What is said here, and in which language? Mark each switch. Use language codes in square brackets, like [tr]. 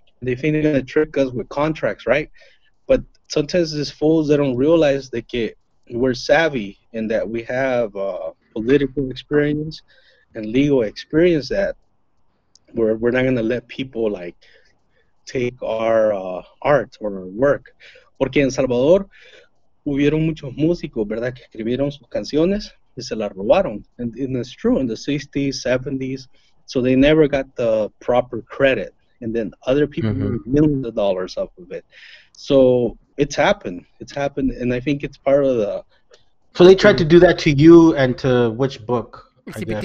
[en] They think they're going to trick us with contracts, right? But sometimes these fools, they don't realize that we're savvy and that we have political experience and legal experience that we're not going to let people, like, take our art or our work. [es] Porque en Salvador hubieron muchos músicos, ¿verdad?, que escribieron sus canciones y se las robaron. [en] And it's true, in the 60s, 70s, so they never got the proper credit. And then other people mm-hmm. made millions of dollars off of it. So it's happened. It's happened, and I think it's part of the... So they tried to do that to you and to which book, I guess?